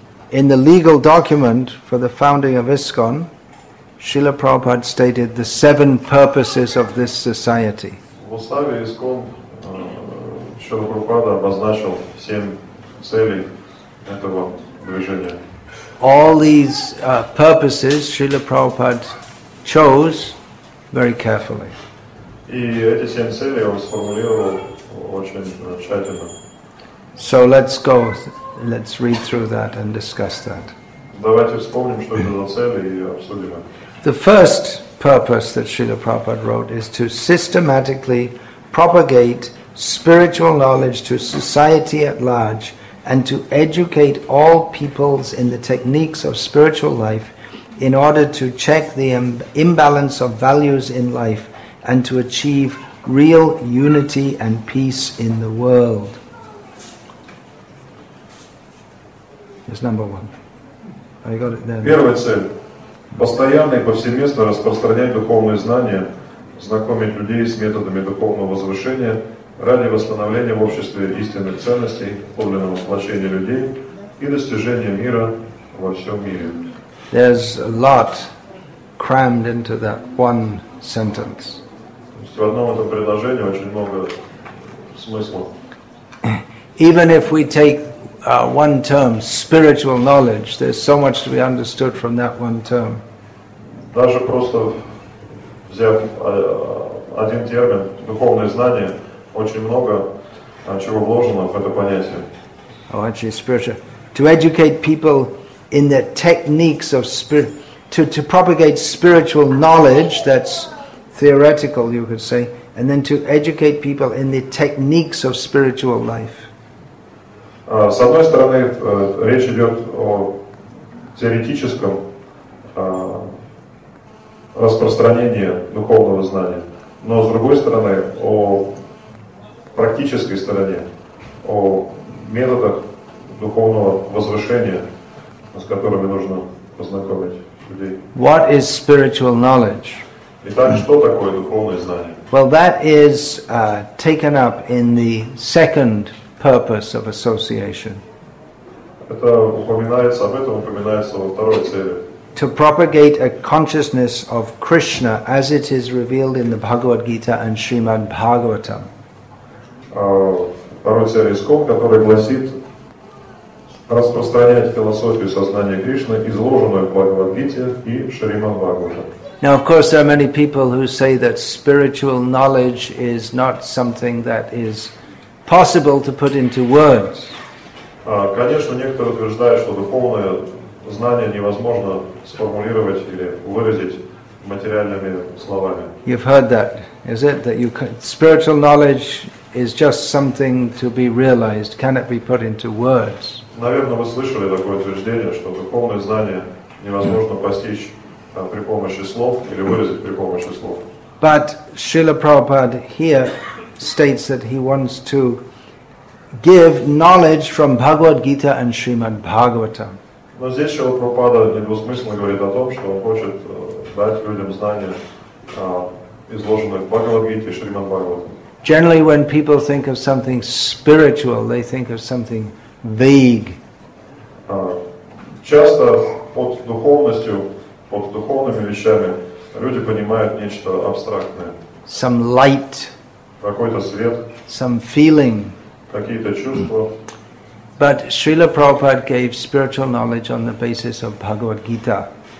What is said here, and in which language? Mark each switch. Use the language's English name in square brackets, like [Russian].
[English] In the legal document for the founding of ISKCON, Srila Prabhupada stated the seven purposes of this society. [Russian] В уставе ISKCON Шрила Прабхупада обозначил семь целей этого движения. [English] All these purposes Srila Prabhupada chose very carefully. [Russian] И эти семь целей он сформулировал очень тщательно. [English] So let's go. Let's read through that and discuss that. [Russian] Давайте вспомним, что это за цели, и обсудим. [English] The first purpose that Srila Prabhupada wrote is to systematically propagate spiritual knowledge to society at large and to educate all peoples in the techniques of spiritual life in order to check the imbalance of values in life and to achieve real unity and peace in the world. It's number one. I got it there. [Russian] Первая цель – постоянно и повсеместно распространять духовные знания, знакомить людей с методами духовного возвышения ради восстановления в обществе истинных ценностей, подлинного сплочения людей и достижения мира во всем мире. [English] There's a lot crammed into that one sentence. [Russian] То есть в одном этом предложении очень много смысла. [English] Even if we take one term, spiritual knowledge, there's so much to be understood from that one term. [Russian] Даже просто взяв один термин, духовное знание, очень много чего вложено в это понятие. [English] Oh, actually, spiritual. To educate people in the techniques of spirit, to propagate spiritual knowledge, that's theoretical, you could say, and then to educate people in the techniques of spiritual life. [Russian] С одной стороны, речь идет о теоретическом распространении духовного знания, но с другой стороны, о практической стороне, о методах духовного возвышения, с которыми нужно познакомить людей. [English] What is spiritual knowledge? [Russian] Итак, что такое духовное знание? [English] Well, that is taken up in the second purpose of association. [Russian] Это упоминается, об этом упоминается во второй цели. [English] To propagate a consciousness of Krishna as it is revealed in the Bhagavad Gita and Srimad Bhagavatam. [Russian] Второй цель искон, который гласит распространять философию сознания Кришны, изложенную в Бхагавад Гите и Шримад Бхагаватам. [English] Now, of course, there are many people who say that spiritual knowledge is not something that is possible to put into words. [Russian] Конечно, некоторые утверждают, что духовное знание невозможно сформулировать или выразить материальными словами. [English] You've heard that, is it? That spiritual knowledge is just something to be realized. Can it be put into words? [Russian] Наверное, вы слышали такое утверждение, что духовное знание невозможно постичь при помощи слов или выразить при помощи слов. [English] But Srila Prabhupada here states that he wants to give knowledge from Bhagavad Gita and Srimad Bhagavatam. [Russian] Но здесь Srila Prabhupada недвусмысленно говорит о том, что он хочет дать людям знания, изложенные в Бхагавад Гите и Шримад Бхагаватам. [English] Generally, when people think of something spiritual, they think of something vague. [Russian] Часто под духовностью, под духовными вещами, люди понимают нечто абстрактное. [English] Some light. [Russian] Какой-то свет. [English] Some feeling. [Russian] Какие-то чувства. [English] But Srila Prabhupada gave spiritual knowledge on the basis of Bhagavad Gita.